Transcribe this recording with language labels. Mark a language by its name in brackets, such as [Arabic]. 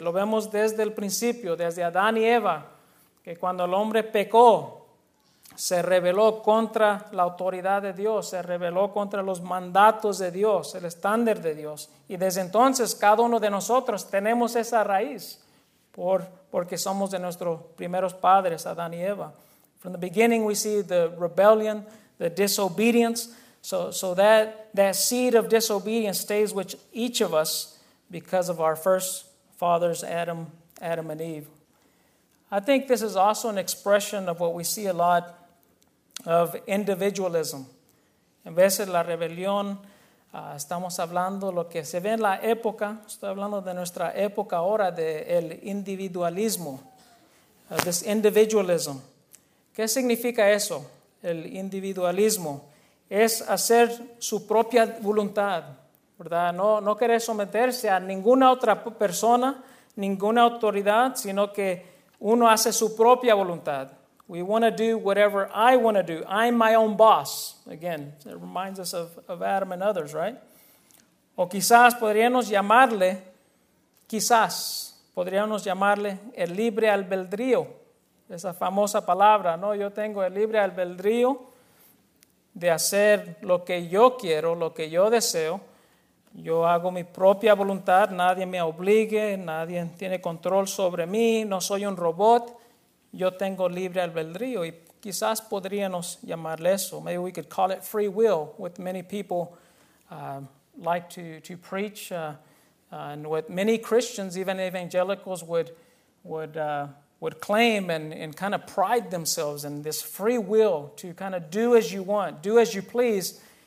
[Spanish] Lo vemos desde el principio, desde Adán y Eva, que cuando el hombre pecó, se rebeló contra la autoridad de Dios, se rebeló contra los mandatos de Dios, el estándar de Dios. Y desde entonces, cada uno de nosotros tenemos esa raíz, porque somos de nuestros primeros padres, Adán y Eva. [English] From the beginning we see the rebellion, the disobedience. So that seed of disobedience stays with each of us because of our first fathers, Adam and Eve. I think this is also an expression of what we see a lot of individualism. [Spanish] En vez de la rebelión, estamos hablando lo que se ve en la época, estoy hablando de nuestra época ahora, del individualismo, [English] this individualism. [Spanish] ¿Qué significa eso, el individualismo? Es hacer su propia voluntad, ¿verdad? No querer someterse a ninguna otra persona, ninguna autoridad, sino que uno hace su propia voluntad. [English] We want to do whatever I want to do. I'm my own boss. Again, it reminds us of Adam and others, right? [Spanish] O quizás podríamos llamarle el libre albedrío. Esa famosa palabra, ¿no? Yo tengo el libre albedrío de hacer lo que yo quiero, lo que yo deseo. Yo hago mi propia voluntad, nadie me obligue, nadie tiene control sobre mí, no soy un robot, yo tengo libre albedrío. Y quizás podríamos llamarle eso. [English] Maybe we could call it free will, what many people like to preach, and what many Christians, even evangelicals, would claim and kind of pride themselves in, this free will to kind of do as you want, do as you please.